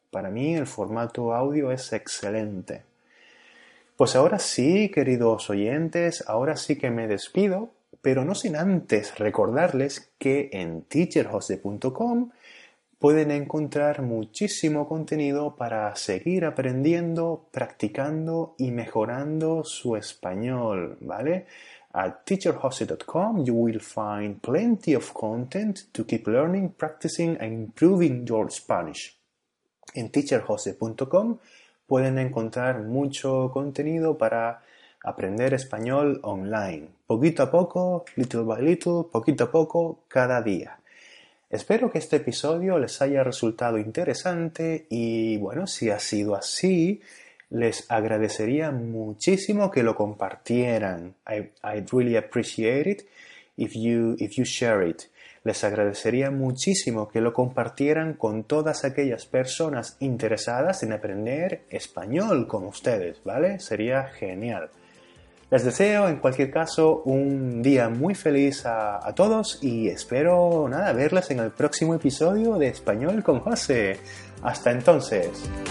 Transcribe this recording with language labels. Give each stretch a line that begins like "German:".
Spanish: Para mí el formato audio es excelente. Pues ahora sí, queridos oyentes, ahora sí que me despido, pero no sin antes recordarles que en teacherjose.com pueden encontrar muchísimo contenido para seguir aprendiendo, practicando y mejorando su español, ¿vale?
English: At teacherjose.com you will find plenty of content to keep learning, practicing and improving your Spanish.
Spanish: En teacherjose.com pueden encontrar mucho contenido para aprender español online. Poquito a poco,
English: little by little,
Spanish: poquito a poco, cada día. Espero que este episodio les haya resultado interesante y, bueno, si ha sido así, les agradecería muchísimo que lo compartieran.
English: I'd really appreciate it if you share it.
Spanish: Les agradecería muchísimo que lo compartieran con todas aquellas personas interesadas en aprender español con ustedes, ¿vale? Sería genial. Les deseo, en cualquier caso, un día muy feliz a todos y espero, nada, verles en el próximo episodio de Español con José. ¡Hasta entonces!